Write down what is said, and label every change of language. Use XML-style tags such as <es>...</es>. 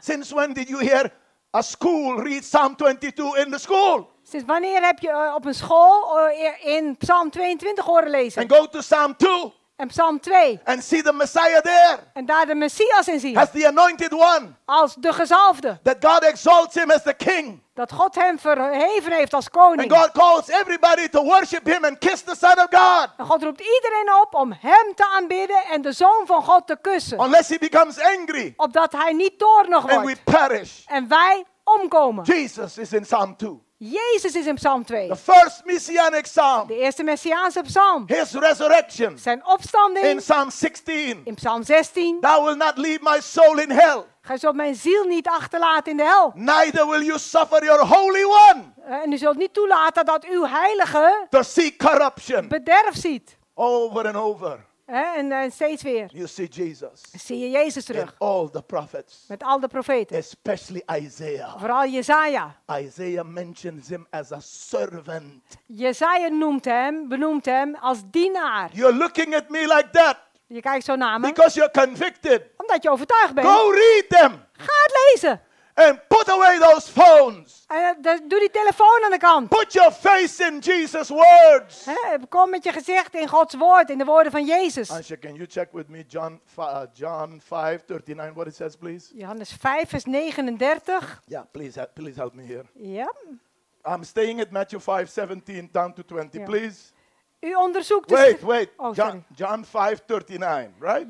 <en>Since when did you hear a school read Psalm 22 in the school?</en> <nl>Sinds wanneer heb je op een school in Psalm 22 horen lezen?</nl> <en>And go to Psalm 2.</en> <nl>En Psalm 2.</nl> <en>And see the Messiah there.</en> <nl>En daar de Messias in zien.</nl> <en>As the anointed one.</en> <nl>Als de gezalfde.</nl> <en>That God exalts him as the king.</en> <nl>Dat God hem verheven heeft als koning.</nl> <en>And God calls everybody to worship him and kiss the Son of God.</en> <nl>En God roept iedereen op om hem te aanbidden en de Zoon van God te kussen.</nl> <en>Unless he becomes angry.</en> <nl>Opdat hij niet toornig wordt.</nl> <en>And we perish.</en> <nl>En wij omkomen.</nl> <en>Jesus is in Psalm 2.</en> <nl>Jezus is in Psalm 2.</nl> <en>The first messianic psalm.</en> <nl>De eerste messiaanse psalm.</nl> <en>His resurrection.</en> <nl>Zijn opstanding.</nl> <en>In Psalm 16.</en> <nl>In Psalm 16.</nl> <en>Thou will not leave my soul in hell.</en> <nl>Gij zult mijn ziel niet achterlaten in de hel.</nl> <en>Neither will you suffer your holy one.</en> <nl>En u zult niet toelaten dat uw heilige</nl> <en>to see corruption.</en> <nl>Bederf ziet.</nl> <en>Over and over.</en> <nl>En steeds weer.</nl> <en>You see Jesus.</en> <nl>Zie je Jezus terug.</nl> <en>In all the prophets.</en> <nl>Met al de profeten.</nl> <en>Especially Isaiah.</en> <nl>Vooral Jesaja.</nl> <en>Isaiah mentions him as a servant.</en> <nl>Jesaja benoemt hem als dienaar.</nl> <en>You're looking at me like that.</en> <nl>Je kijkt zo naar me.</nl> <en>Because you're convicted.</en> <nl>Omdat je overtuigd bent.</nl> <en>Go read them.</en> <nl>Ga het lezen.</nl> <en>And put away those phones.</en> <nl>Doe die telefoon aan de kant.</nl> <en>Put your face in Jesus' words.</en> <nl>Kom met je gezicht in Gods woord, in de woorden van Jezus.</nl> <en>Asha, can you check with me John 5, 39, what it says, please?</en> <nl>Johannes 5, vers 39.</nl> <en>Yeah, please help me here. Yeah. I'm staying at Matthew 5, 17, down to 20, yeah. Please.</en> <nl>U onderzoekt...</nl> <en>Wait. John 5, 39, right?</en>